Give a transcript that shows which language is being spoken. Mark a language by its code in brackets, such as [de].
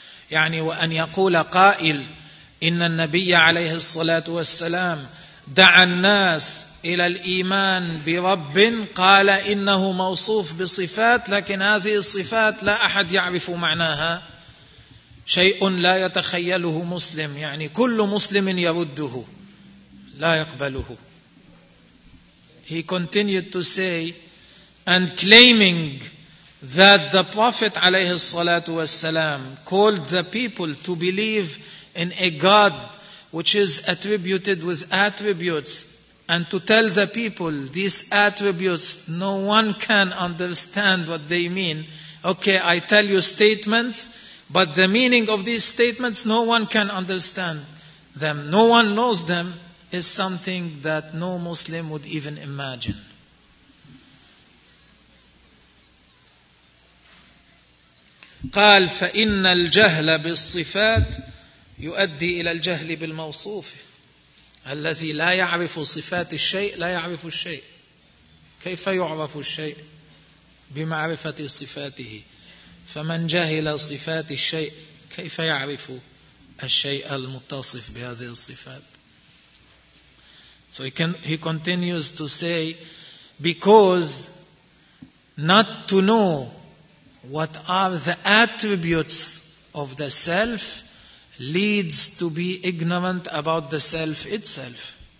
[ar] يعني وأن يقول قائل إن النبي عليه الصلاة والسلام دعا الناس إلى الإيمان برب قال إنه موصوف بصفات, لكن هذه الصفات لا أحد يعرف معناها, شيء لا يتخيله مسلم, يعني كل مسلم يرده لا يقبله. [en] He continued to say, and claiming that the Prophet [ar] عليه الصلاة والسلام [en] called the people to believe in a God which is attributed with attributes, and to tell the people these attributes, no one can understand what they mean. Okay, I tell you statements, but the meaning of these statements, no one can understand them. No one knows them, is something that no Muslim would even imagine. [ar] قال فإن الجهل بالصفات يؤدي إلى الجهل بالموصوف الذي لا يعرف صفات الشيء لا يعرف الشيء كيف يعرف الشيء بمعرفة صفاته فمن جهل صفات الشيء كيف يعرف الشيء المتصف بهذه الصفات. [en] So he continues to say, because not to know what are the attributes of the self leads to be ignorant about the self itself.